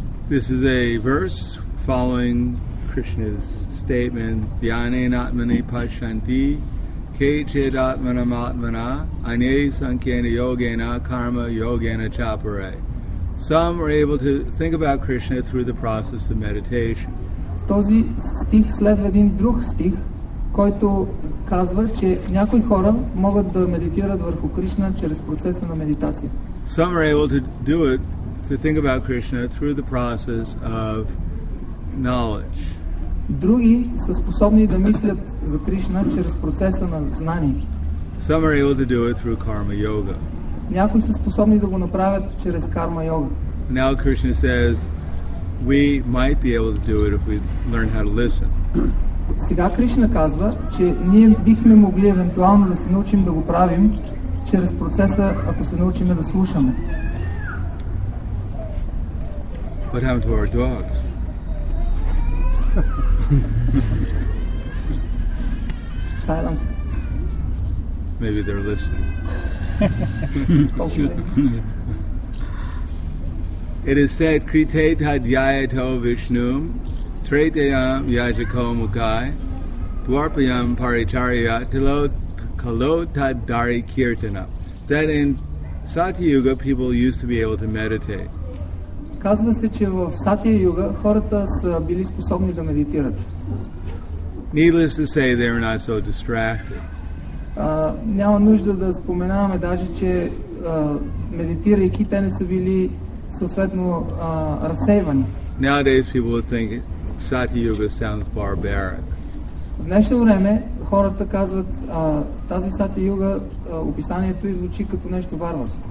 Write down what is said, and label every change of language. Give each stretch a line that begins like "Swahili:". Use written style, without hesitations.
English: This is a verse following Krishna's statement,
Sanskrit: Dhyane Natmani Pashanti. Kechid atmana matmana anye sankhena yogena karma yogena chapare.
English: Some are able to think about Krishna through the process of meditation.
Bulgarian: Този стих следва един друг стих, който казва, че някои хора могат да медитират върху Кришна чрез процеса на медитация.
English: Some are able to do it to think about Krishna through the process of knowledge.
Bulgarian: Други са способни да мислят за Кришна чрез процеса на знание.
English: Some are able to do it through karma yoga.
Bulgarian: Някои са способни да го направят чрез карма йога.
English: Now Krishna says, we might be able to do it if we learn how to listen.
Bulgarian: Сега Кришна казва, че ние бихме могли евентуално да се научим да го правим чрез процеса, ако се научим да слушаме.
English: What happened to our dogs? Silent. Maybe they're listening. It is said,
Sanskrit: Krite tadyayato vishnum, treteyam yajako mukai, dwarpayam paricharya, kalotadari kirtana.
English: That in Satyayuga, people used to be able to meditate.
Bulgarian: Казва се, че в Сатия Юга хората са били способни да медитират.
English: Needless to say, they are not so distracted.
Bulgarian: Няма нужда да споменаваме даже, че медитирайки те не са били съответно разсейвани.
English: Nowadays people would think Сатия Юга sounds barbaric.
Bulgarian: В днешно време хората казват, тази Сатия Юга, описанието звучи като нещо варварско.